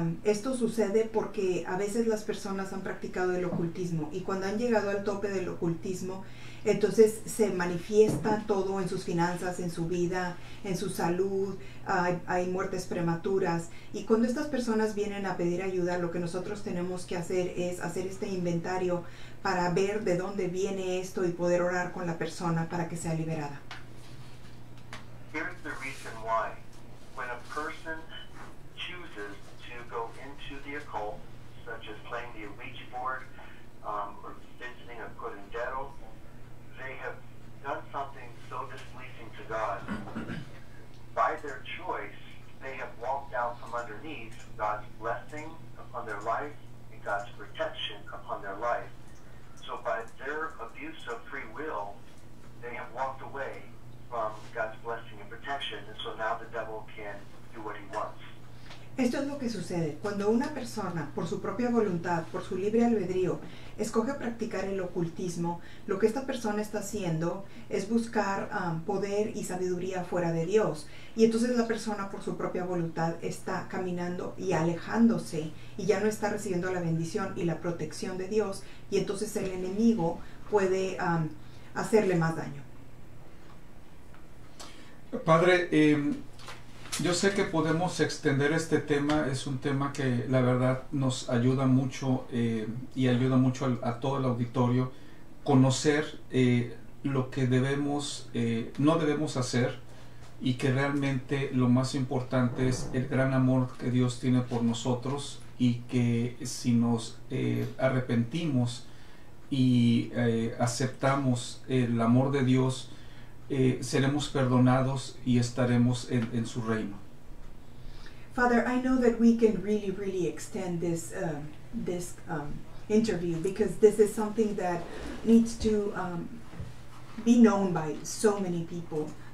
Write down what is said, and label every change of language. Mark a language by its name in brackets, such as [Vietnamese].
[Spanish] Esto sucede porque a veces las personas han practicado el ocultismo y cuando han llegado al tope del ocultismo, entonces se manifiesta todo en sus finanzas, en su vida, en su salud, hay muertes prematuras. Y cuando estas personas vienen a pedir ayuda, lo que nosotros tenemos que hacer es hacer este inventario para ver de dónde viene esto y poder orar con la persona para que sea liberada. [English] Here's the reason why. When a person chooses to go into the occult, such as playing the Ouija board, or visiting a curandero, they have done something so displeasing to God. By their choice, they have walked out from underneath God's blessing upon their life and God's protection upon their life. So by their abuse of free will, they have walked away from God's blessing and protection, and so now the devil can do what he wants. [Spanish] Esto es lo que sucede. Cuando una persona, por su propia voluntad, por su libre albedrío, escoge practicar el ocultismo, lo que esta persona está haciendo es buscar poder y sabiduría fuera de Dios. Y entonces la persona, por su propia voluntad, está caminando y alejándose y ya no está recibiendo la bendición y la protección de Dios. Y entonces el enemigo puede hacerle más daño. Padre, yo sé que podemos extender este tema, es un tema que la verdad nos ayuda mucho y ayuda mucho a todo el auditorio conocer lo que debemos, no debemos hacer y que realmente lo más importante es el gran amor que Dios tiene por nosotros y que si nos arrepentimos y aceptamos el amor de Dios, seremos perdonados y estaremos en su reino. [English] Father, I know that we can really, really extend this this interview because this is something that needs to be known by so many people.